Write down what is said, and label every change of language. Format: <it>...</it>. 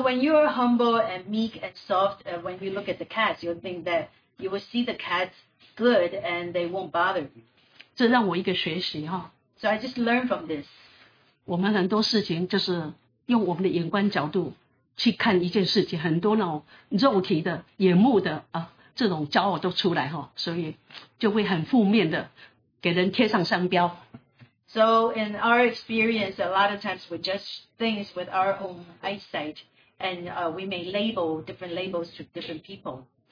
<en>when you are humble and meek and soft, when you look at the cats, you'll think that you will see the cats good and they won't bother you.</en> <zh>这让我一个学习。</zh> <en>So I just learned from this.</en> <zh>我们很多事情就是用我们的眼光角度去看一件事情，很多那种肉体的、眼目的这种骄傲都出来，所以就会很负面的给人贴上商标。</zh> <en>So in our experience, a lot of times we judge things with our own eyesight, and we may label different labels to different people.</en>